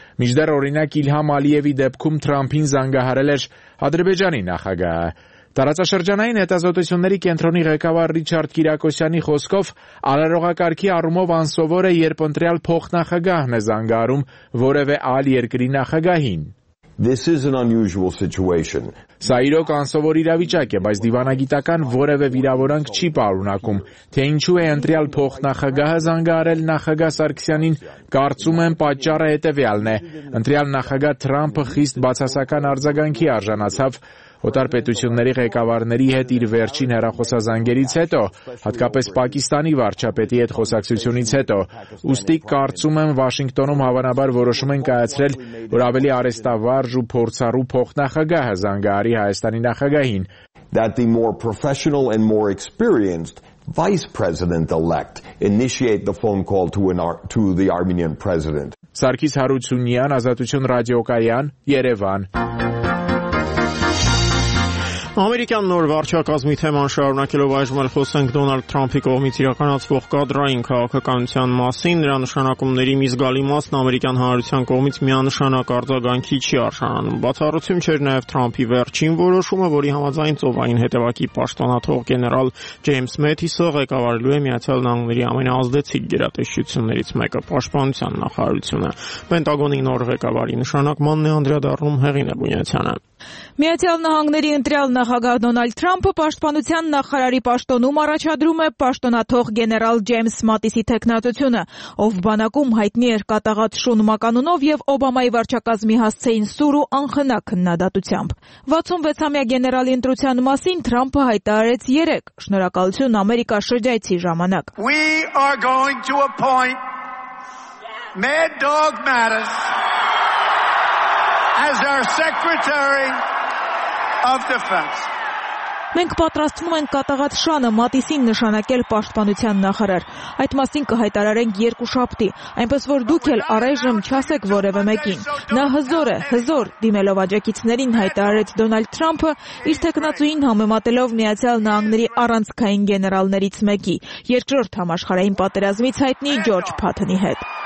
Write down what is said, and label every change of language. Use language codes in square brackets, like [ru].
[hy] մինչդեռ օրինակ Իլհամ Ալիևի դեպքում Թրամփին զանգահարել էր Ադրբեջանի նախագահը։ Տարածաշրջանային հետազոտությունների կենտրոնի ղեկավար Ռիչարդ Կիրակոսյանի խոսքով, արարողակարգի առումով անսովոր է, երբ ընտրյալ փոխնախագահն է զանգարում որևէ այլ երկրի նախագահին։ [en] This is an unusual situation. [hy] Սա իրոք անսովոր իրավիճակ է, բայց դիվանագիտական որևէ վիրավորանք չի պարունակում, թե ինչու է ընտրյալ փոխնախագահը զանգահարել նախագահ Սարգսյանին, կարծում եմ պատճառը հետևյալն է. ընտրյալ նախագահ Թրամփը խիստ բացասական արձագանքի արժանացավ օտար պետությունների ղեկավարների հետ իր վերջին հեռախոսազանգերից հետո, հատկապես Պակիստանի վարչապետի հետ խոսակցությունից հետո, ուստի կարծում եմ Վաշինգտոնում հավանաբար որոշում են կայացրել, որ ավելի արեստավարժ ու փորձառու փոխնախագահը զանգահարի Հայաստանի նախագահին։ [en] That the more professional and more experienced vice president elect initiate the phone call to the Armenian president. [hy] Սարգիս Հարությունյան, Ազատություն ռադիոկայան, Երևան։ Ամերիկյան նոր վարչակազմի թեման շարունակելով այժմ էլ խոսենք Դոնալդ Թրամփի կողմից իրականացվող կադրային քաղաքականության մասին, նրա նշանակումների մի զգալի մասն ամերիկյան հանրության կողմից միանշանակ արձագանքի չի արժանանում։ Բացառություն չէր նաև Թրամփի վերջին որոշումը, որի համաձայն ծովային հետևակի պաշտոնաթող գեներալ Ջեյմս Մեթիսը ղեկավարելու է Միացյալ Նահանգների ամենաազդեցիկ գերատեսչություններից մեկը՝ պաշտպանության նախարարությունը։ Պենտագոնի նոր ղեկավարի նշանակմանն է անդրադառնում Հեղինե Բունյանյանը։ Միացյալ Նահանգների ընտրյալ նախագահ Դոնալդ Թրամփը պաշտպանության նախարարի պաշտոնում առաջադրում է պաշտոնաթող գեներալ Ջեյմս Մատիսի թեկնածությունը, ով բանակում հայտնի էր կատաղած շուն մականունով և Օբամայի վարչակազմի հասցեին սուր ու անխնակ քննադատությամբ։ 66-ամյա գեներալի ընտրության մասին Թրամփը հայտարարեց 3 շնորհակալություն Ամերիկա շրջայցի ժամանակ։ [en] We are going to appoint Mad Dog Mattis as our secretary of defense. [hy] Մենք պատրաստվում ենք կատաղած շանը Մատիսին նշանակել պաշտպանության նախարար։ Այդ մասին կհայտարարենք երկու շաբթի, այնպես որ դուք էլ առայժմ չասեք որևէ մեկին։ Նա հզոր է, հզոր, դիմելով աջակիցներին, հայտարարեց Դոնալդ Թրամփը, իր թեկնածուին համեմատելով Միացյալ Նահանգների առանցքային գեներալներից մեկի, երկրորդ համաշխարհային պատերազմից հայտնի Ջորջ Փաթենի հետ։